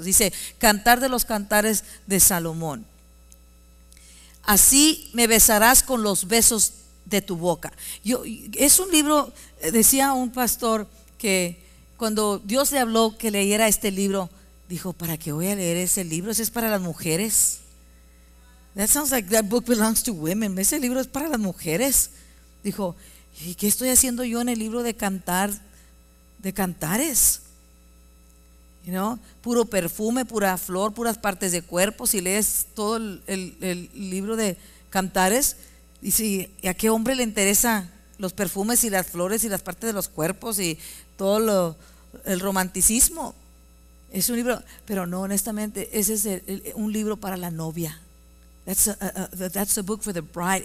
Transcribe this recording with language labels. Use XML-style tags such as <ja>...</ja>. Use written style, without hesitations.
<es>Dice: Cantar de los Cantares de Salomón. Así me besarás con los besos de tu boca. Es un libro, decía un pastor, que cuando Dios le habló que leyera este libro, dijo: ¿Para qué voy a leer ese libro? ¿Ese es para las mujeres?</es> <en>That sounds like that book belongs to women.</en> <es>Ese libro es para las mujeres. Dijo: ¿Y qué estoy haciendo yo en el libro de cantar, de cantares?</es> <en>You know,</en> <es>puro perfume, pura flor, puras partes de cuerpo. Si lees todo el libro de cantares, y si, ¿y a qué hombre le interesa los perfumes y las flores y las partes de los cuerpos y todo lo, el romanticismo? Es un libro, pero no, honestamente, ese es un libro para la novia.</es> <en>That's a book for the bride.</en>